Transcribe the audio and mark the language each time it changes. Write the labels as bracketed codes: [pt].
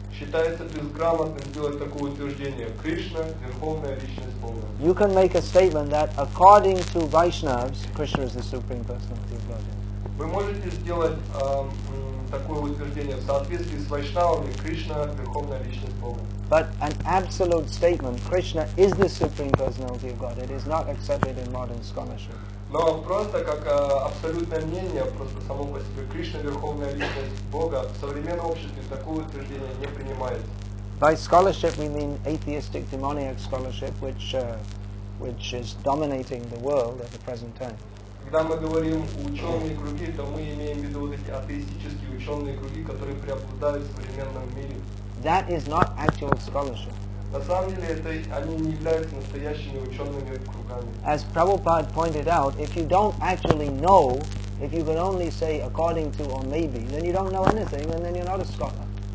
[ru] Считается безграмотным делать такое утверждение: Кришна — верховная личность Бога. [en] You can make a statement that according to Vaishnavas, Krishna is the Supreme Personality of Godhead. [ru] Вы можете сделать такое утверждение: в соответствии с вайшнавами Кришна — верховная личность Бога. [en] But an absolute statement, Krishna is the Supreme Personality of God, it is not accepted in modern scholarship. [ru] Но просто как абсолютное мнение, просто само по себе, Кришна — верховная личность Бога, в современном обществе такое утверждение не принимается. [en] By scholarship we mean atheistic demoniac scholarship, which is dominating the world at the present time. [ru] Когда мы говорим ученые круги, то мы имеем в виду вот эти атеистические ученые круги, которые преобладают в современном мире. [en] That is not actual scholarship. [ru] На самом деле, это, они не являются настоящими учеными кругами. [en] As Prabhupada pointed out, if you don't actually know, if you can only say according to or maybe, then you don't know anything, and then you're not a scholar.